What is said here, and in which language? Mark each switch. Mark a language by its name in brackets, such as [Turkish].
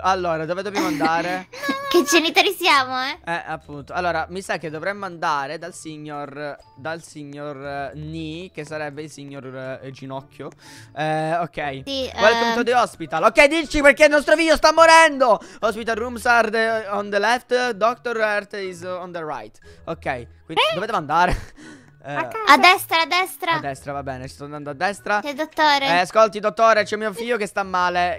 [Italian] Allora, dove dobbiamo andare? Che genitori siamo, eh? Appunto. Allora, mi sa che dovremmo andare dal signor Ni, che sarebbe il signor Ginocchio. Ok. Sì, [English] welcome to the hospital. [Italian] Ok, dici, perché il nostro figlio sta morendo. [English] Hospital rooms are on the left, doctor Hart is on the right. [Italian] Ok. Quindi dove devo andare? A destra. A destra, va bene, sto andando a destra. C'è il dottore. Ascolti, dottore, c'è mio figlio che sta male.